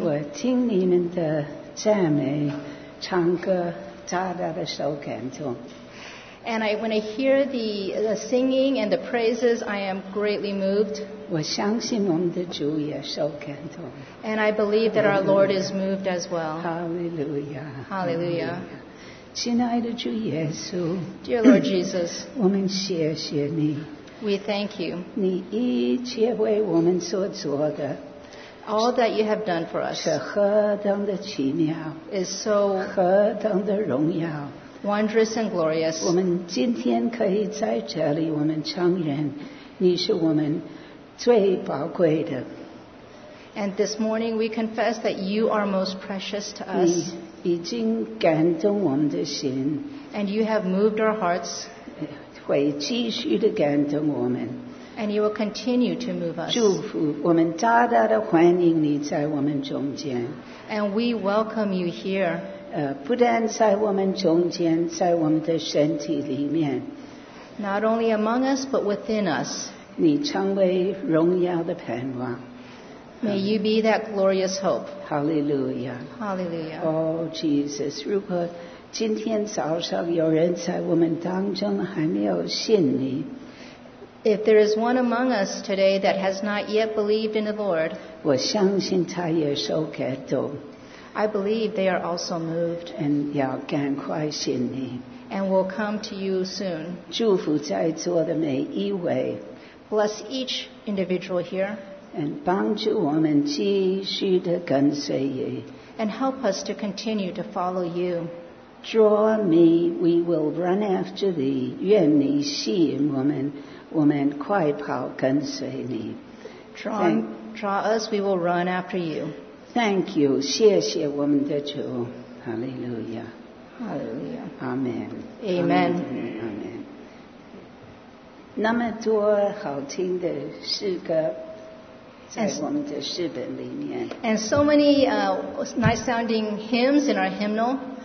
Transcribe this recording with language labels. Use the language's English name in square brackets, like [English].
[Chinese] 我听你们的赞美、唱歌，大大的受感动。 [English] And when I hear the singing and the praises, I am greatly moved. [Chinese] 我相信我们的主也受感动。 [English] And I believe that our Lord is moved as well. Hallelujah. Hallelujah. [Chinese] 亲爱的主耶稣。 [English] Dear Lord Jesus. [Chinese] 我们谢谢你。 [English] We thank you. [Chinese] 你一切为我们所做的。 [English] All that you have done for us. [Chinese] 是何等的奇妙。 [English] Is so. [Chinese] 何等的荣耀。 [English] Wondrous and glorious. [Chinese] 我们今天可以在这里，我们承认，你是我们最宝贵的。 [English] And this morning we confess that you are most precious to us. [Chinese] 你已经感动我们的心。 [English] And you have moved our hearts. [Chinese] 会继续的感动我们。 [English] And you will continue to move us. [Chinese] 祝福我们大大的欢迎你在我们中间。 [English] And we welcome you here. [Chinese] 不但在我们中间，在我们的身体里面。 [English] Not only among us, but within us. [Chinese] 你成为荣耀的盼望。 [English] May you be that glorious hope. Hallelujah. Hallelujah. Oh, Jesus. [Chinese] 如果今天早上有人在我们当中还没有信你。 [English] If there is one among us today that has not yet believed in the Lord. [Chinese] 我相信他也受感动。 [English] I believe they are also moved [Chinese] and 要赶快信你 [English] and will come to you soon. [Chinese] 祝福在座的每一位 [English] bless each individual here [Chinese] and 帮助我们继续的跟随你 [English] and help us to continue to follow you. Draw me, we will run after thee. [Chinese] 愿你吸引我们，我们快跑跟随你 [English] Draw us, we will run after you. Thank you. [Chinese] 谢谢我们的主。Hallelujah. [English] Hallelujah. Amen. Amen. Amen. [Chinese] 那么多好听的诗歌在我们的诗本里面。 [English] And so many nice sounding hymns in our hymnal.